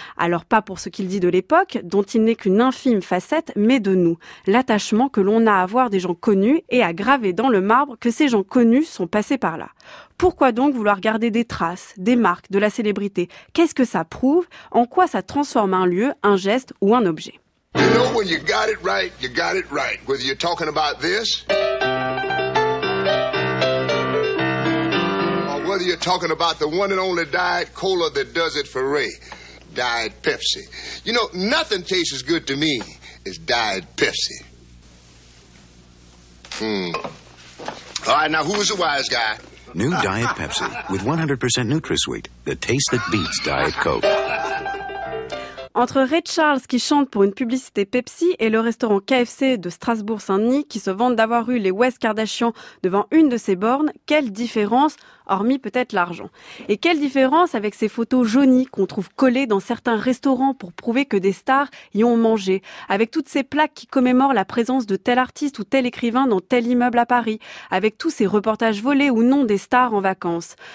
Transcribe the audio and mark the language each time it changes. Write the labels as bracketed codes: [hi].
[fr] Alors pas pour ce qu'il dit de l'époque, dont il n'est qu'une infime facette, mais de nous. L'attachement que l'on a à voir des gens connus et à graver dans le marbre que ces gens connus sont passés par là. Pourquoi donc vouloir garder des traces, des marques, de la célébrité ? Qu'est-ce que ça prouve ? En quoi ça transforme un lieu, un geste ou un objet ? [en] You know, when you got it right, you got it right. Whether you're talking about this, or whether you're talking about the one and only Diet Cola that does it for Ray, Diet Pepsi. You know, nothing tastes as good to me as Diet Pepsi. All right, now who's the wise guy? New Diet Pepsi, with 100% Nutrasweet, the taste that beats Diet Coke. [fr] Entre Ray Charles qui chante pour une publicité Pepsi et le restaurant KFC de Strasbourg-Saint-Denis qui se vante d'avoir eu les West Kardashian devant une de ses bornes, quelle différence, hormis peut-être l'argent. Et quelle différence avec ces photos jaunies qu'on trouve collées dans certains restaurants pour prouver que des stars y ont mangé, avec toutes ces plaques qui commémorent la présence de tel artiste ou tel écrivain dans tel immeuble à Paris, avec tous ces reportages volés ou non des stars en vacances.